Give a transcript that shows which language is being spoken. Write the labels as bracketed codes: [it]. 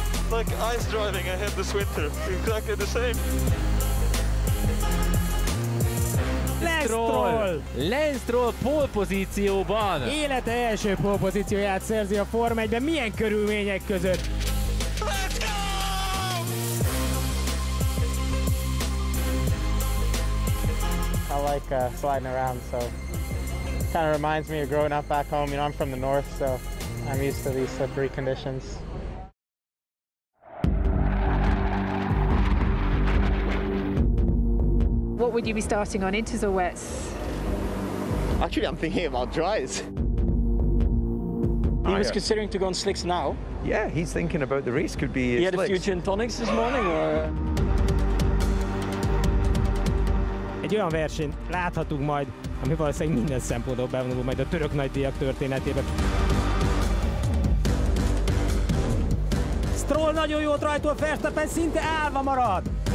[en] Like ice driving ahead this winter, exactly the same. [hu] Lance Stroll pole pozícióban. Élete első pole pozícióját szerzi a Forma 1-ben, milyen körülmények között. [en] I like sliding around, so kind of reminds me of growing up back home. You know, I'm from the north, so I'm used to these slippery conditions. What would you be starting on, inters or wets? Actually, I'm thinking about dries. He was considering to go on slicks now. Yeah, he's thinking about the race. Could be He had a few gin tonics this morning. Or... [hu] Egy olyan versenyt láthatunk majd, ami valószínűleg minden szempontból bevonul majd a török nagydíjak történetébe. Stroll nagyon jót rajtol, Verstappen szinte állva marad.